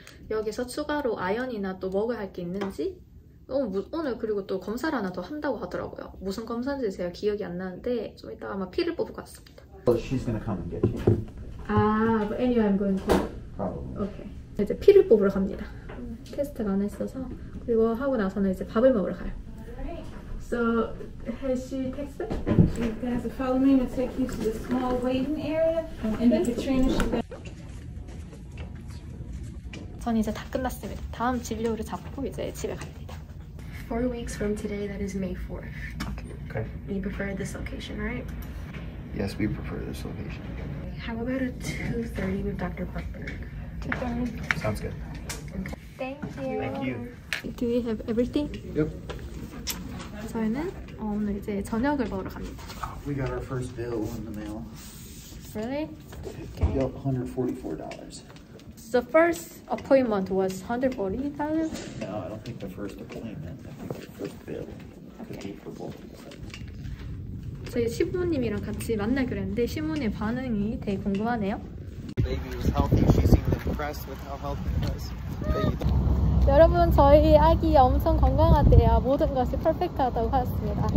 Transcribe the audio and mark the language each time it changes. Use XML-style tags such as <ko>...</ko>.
<ko>여기서 추가로 아연이나 또 먹어야 할 게 있는지. 오늘 그리고 또 검사를 하나 더 한다고 하더라고요. 무슨 검사인지 제가 기억이 안 나는데 좀 이따 아마 피를 뽑을 것 같습니다.</ko> <en>Well, she's gonna come and get you. But anyway, I'm going to. Probably.</en> <ko>Okay. 이제 피를 뽑으러 갑니다. 테스트가 안 했어서. 그리고 하고 나서는 이제 밥을 먹으러 가요.</ko> <en>Alright. So, has she texted? She's gonna have to follow me and take you to the small waiting area. And the Katrina should be.</en> <ko>전 이제 다 끝났습니다. 다음 진료를 잡고 이제 집에 갑니다.</ko> <en>4 weeks from today, that is May 4th. Okay. We prefer this location, right? Yes, we prefer this location. How about a 2:30 with Dr. Buckberg? 2:30. Sounds good. Okay. Thank you. Thank you. Do we have everything? Yep.</en> <ko>저희는 오늘 이제 저녁을 먹으러 갑니다.</ko> <en>We got our first bill in the mail. Really? Okay. Yep, $144. The first appointment was $140,000? No, I don't think the first appointment. I think the first bill could be for both of us.</en> <ko>저희 시부모님이랑 같이 만나기로 했는데 시부모님 반응이 되게 궁금하네요.</ko> <en>Baby was healthy. She seemed impressed with how healthy it was.</en> <ko>여러분, 저희 아기 엄청 건강하대요. 모든 것이 퍼펙트하다고 하셨습니다.</ko>